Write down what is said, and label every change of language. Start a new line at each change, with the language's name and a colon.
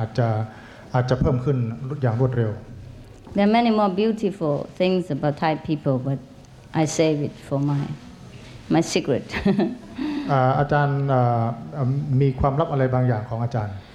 Thai: ถ้าไม่อย่างนั้นแล้วเนี่ยอัตตาของเราที่มีอยู่เนี่ยอาจจะเพิ่มขึ้นอย่างรวดเร็ว
English: There are many more beautiful things about Thai people, but I save it for my secret.
Thai: อาจารย์มีความลับอะไรบางอย่างของอาจารย์